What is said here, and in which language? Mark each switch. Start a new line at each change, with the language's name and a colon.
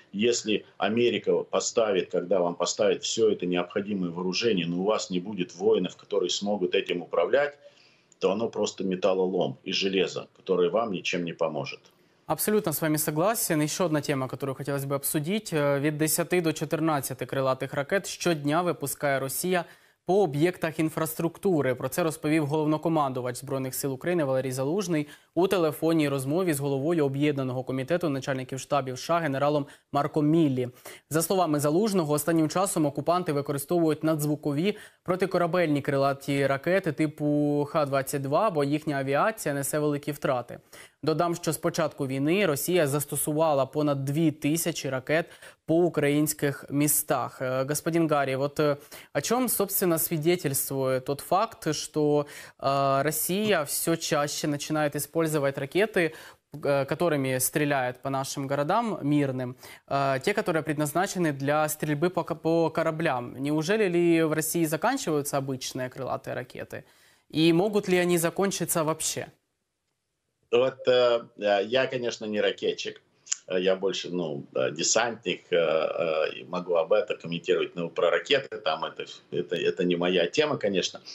Russian: Если Америка поставит, когда вам поставят все это необходимое вооружение, но у вас не будет воинов, которые смогут этим управлять, то оно просто металлолом и железо, которое вам ничем не поможет. Абсолютно с вами согласен. Еще одна тема, которую хотелось бы обсудить.
Ukrainian: Від 10 до 14 крилатих ракет щодня випускає Росія по об'єктах інфраструктури. Про це розповів головнокомандувач Збройних сил України Валерій Залужний у телефонній розмові з головою об'єднаного комітету начальників штабів США генералом Марком Міллі. За словами Залужного, останнім часом окупанти використовують надзвукові протикорабельні крилаті ракети типу Х-22, бо їхня авіація несе великі втрати. Додам, що з початку війни Росія застосувала понад 2000 ракет по українських містах. Господин Гарі, от о чому, собственно, свідетельствує тот факт, що Росія все чаще починає використовувати ракети
Russian: которыми стреляют по нашим городам мирным, те, которые предназначены для стрельбы по кораблям. Неужели ли в России заканчиваются обычные крылатые ракеты? И могут ли они закончиться вообще? Вот я, конечно, не ракетчик. Я больше, ну, десантник, могу об этом комментировать, но про ракеты там это не моя тема, конечно.